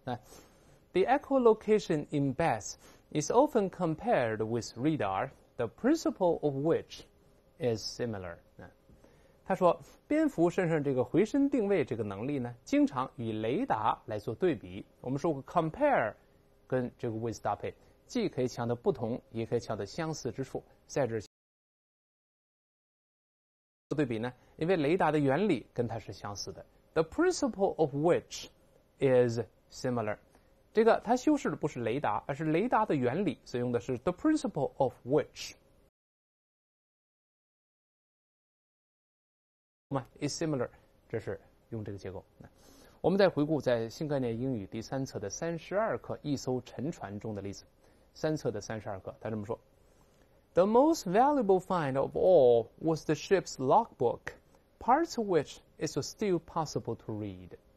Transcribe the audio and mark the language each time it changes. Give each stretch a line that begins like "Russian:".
English: 那 The echolocation in bats is often compared with radar, the principle of which is similar.
Chinese: 他说蝙蝠身上这个回声定位这个能力呢经常与雷达来做对比。我们说过 compare 跟这个 with 搭配既可以强调不同也可以强调相似之处，在这做对比呢，因为雷达的原理跟它是相似的。
English: The principle of which is similar，
Chinese: 这个它修饰的不是雷达而是雷达的原理，所以用的是
English: the principle of which is similar，
Chinese: 这是用这个结构。我们再回顾在新概念英语第三册的32课一艘沉船中的例子。三册的32课他这么说，
English: The most valuable find of all was the ship's logbook, parts of which is still possible to read.